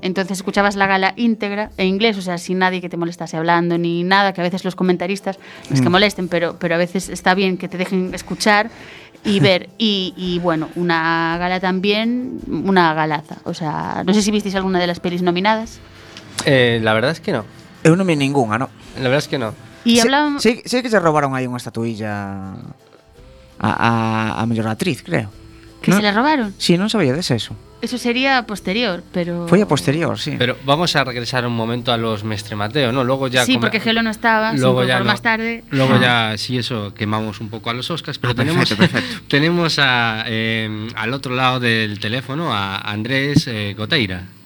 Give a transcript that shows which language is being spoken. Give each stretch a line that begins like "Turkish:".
Spanish: Entonces escuchabas la gala íntegra en inglés, o sea, sin nadie que te molestase hablando ni nada, que a veces los comentaristas es que molesten, pero a veces está bien que te dejen escuchar y ver. Y bueno, una gala también, una galaza. O sea, no sé si visteis alguna de las pelis nominadas. La verdad es que no.
Galician: Eu non vi ninguna, no.
Spanish: La verdad es que no. Y hablaban...
Galician: Sí, que se robaron ahí unha estatuilla a mellor actriz, creo.
Spanish: ¿Que no? ¿Se la robaron?
Galician: Sí, non sabía de eso.
Spanish: Eso sería posterior, pero... Fue a posterior, sí. Pero vamos a regresar un momento a los Mestre Mateo, ¿no? Luego ya sí, come... porque Gelo no estaba, luego ya no. Más tarde. Luego ya, sí, eso, quemamos un poco a los Oscars, pero tenemos, perfecto. Tenemos a, al otro lado del teléfono a Andrés Goteira.